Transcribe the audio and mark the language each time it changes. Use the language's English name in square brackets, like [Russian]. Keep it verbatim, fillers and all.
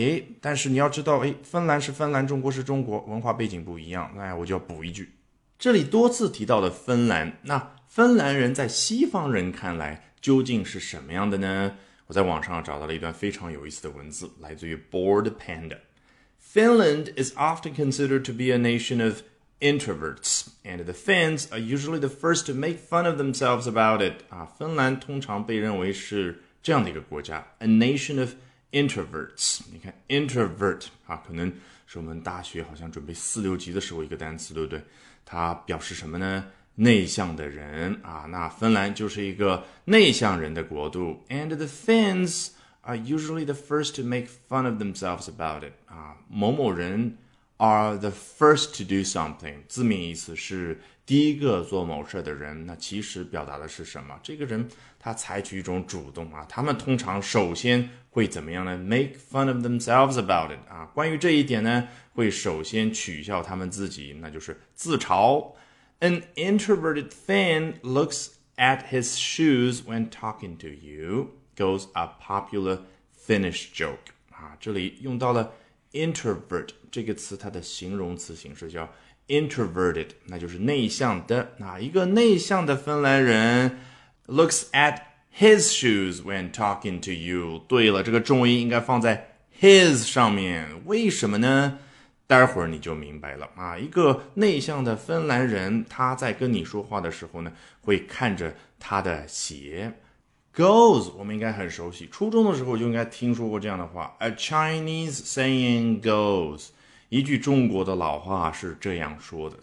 [Chinese] 诶，但是你要知道，诶，芬兰是芬兰，中国是中国，文化背景不一样。那我就要补一句，这里多次提到的芬兰，那芬兰人在西方人看来究竟是什么样的呢？我在网上找到了一段非常有意思的文字，来自于 Bored Panda。 [English] Finland is often considered to be a nation of introverts, and the Finns are usually the first to make fun of themselves about it. [Chinese] 啊，芬兰通常被认为是这样的一个国家 ， [English] a nation of introverts. [Chinese] 你看 introvert 啊，可能是我们大学好像准备四六级的时候一个单词，对不对？它表示什么呢？内向的人啊，那芬兰就是一个内向人的国度。 [English] And the Finns are usually the first to make fun of themselves about it. 啊， [Chinese] 某某人 [English] are the first to do something. [Chinese] 字面意思是第一个做某事的人。那其实表达的是什么？这个人他采取一种主动啊，他们通常首先会怎么样呢？ [English] make fun of themselves about it. [Chinese] 啊，关于这一点呢，会首先取笑他们自己，那就是自嘲。 [English] An introverted Finn looks at his shoes when talking to you, goes a popular Finnish joke. [Chinese] 啊，这里用到了 introvert 这个词，它的形容词形式叫 introverted， 那就是内向的。哪一个内向的芬兰人 [English] looks at his shoes when talking to you？ [Chinese] 对了，这个重音应该放在 his 上面，为什么呢？待会儿你就明白了啊！一个内向的芬兰人，他在跟你说话的时候呢，会看着他的鞋。 Goes 我们应该很熟悉，初中的时候就应该听说过这样的话 ： [English] A Chinese saying goes， [Chinese] 一句中国的老话是这样说的。